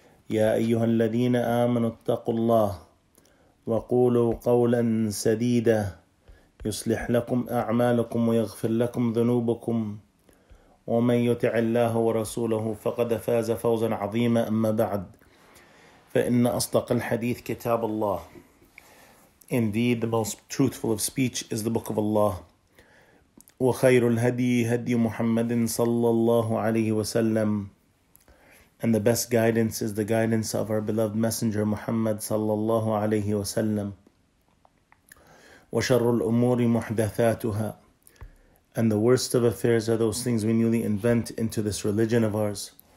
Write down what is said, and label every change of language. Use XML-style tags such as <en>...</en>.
<ar>يا أيها الذين آمنوا اتقوا الله وقولوا قولا سديدا يصلح لكم أعمالكم ويغفر لكم ذنوبكم ومن يطع الله ورسوله فقد فاز فوزا عظيما. أما بعد فإن أصدق الحديث كتاب الله.</ar> <en>Indeed the most truthful of speech is the book of Allah.</en> <ar>وخير الهدي هدي محمد صلى الله عليه وسلم.</ar> <en>And the best guidance is the guidance of our beloved messenger Muhammad صلى الله عليه وسلم.</en> <ar>وشر الأمور محدثاتها.</ar> <en>And the worst of affairs are those things we newly invent into this religion of ours.</en>